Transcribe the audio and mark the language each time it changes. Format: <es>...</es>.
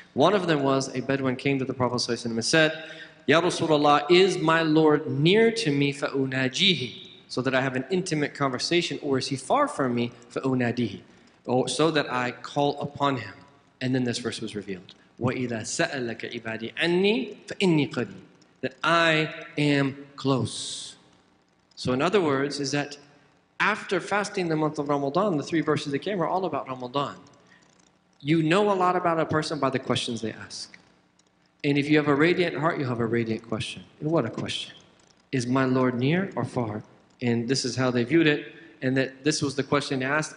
<en>One of them was a Bedouin came to the Prophet ﷺ and said, Ya Rasulullah, is my Lord near to me</en> <ar>فَأُنَاجِيهِ,</ar> <en>so that I have an intimate conversation, or is he far from me</en> <ar>فَأُنَادِيهِ,</ar> <en>so that I call upon him. And then this verse was revealed.</en> <ar>وَإِذَا سَأَلَكَ عِبَادِي عَنِّي فَإِنِّي قَدِيهِ,</ar> <en>that I am close. So in other words, is that after fasting the month of Ramadan, the three verses that came are all about Ramadan. You know a lot about a person by the questions they ask. And if you have a radiant heart, you have a radiant question. And what a question. Is my Lord near or far? And this is how they viewed it, and that this was the question they asked.</en>